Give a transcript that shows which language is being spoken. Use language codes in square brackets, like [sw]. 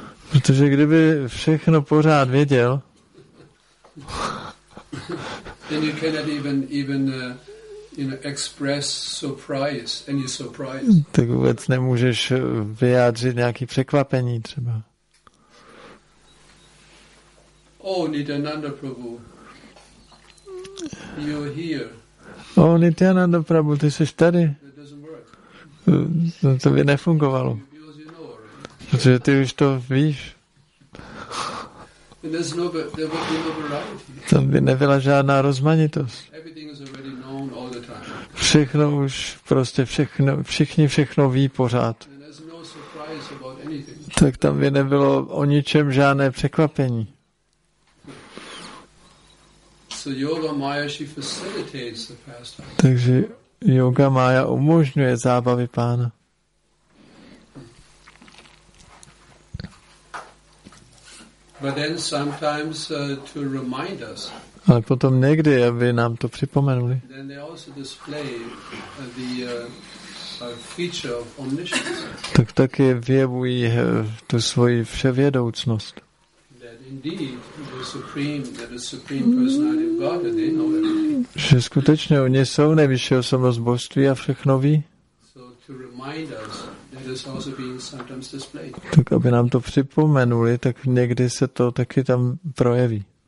[cs] Protože kdyby všechno pořád věděl, [en] then you cannot even you know, express surprise, any surprise. [cs] Tak vůbec nemůžeš vyjádřit nějaký překvapení třeba. [en] Oh, Nityananda Prabhu, you're here. [cs] Oh, Nityananda Prabhu, ty jsi tady. [en] It doesn't work. [cs] To by nefungovalo. [en] Because you know, right? [cs] Protože ty už to víš. [en] And there's no, there would be no variety. [cs] Tam by nebyla žádná rozmanitost. [en] Everything is already known all the time. [cs] Všechno už prostě všechno, všichni všechno ví pořád. [en] And there's no surprise about anything. [cs] Tak tam by nebylo o ničem žádné překvapení. [en] So Yoga Maya, she facilitates the past. [cs] Takže Yoga Maya umožňuje zábavy Pána. [en] But then sometimes to remind us. [cs] Ale potom někdy, aby nám to připomenuli. [en] Then they also display the feature of omniscience. [cs] Tak taky vyjevují tu svoji vševědoucnost. [en] That indeed the supreme, that the supreme personality of God, that they know everything. [cs] Že skutečně oni jsou nejvyšší osobnost božství a všechno ví. [en] So to remind us. Is also being sometimes displayed. [cs] Tak aby nám to připomenuli, tak někdy se to taky tam projeví.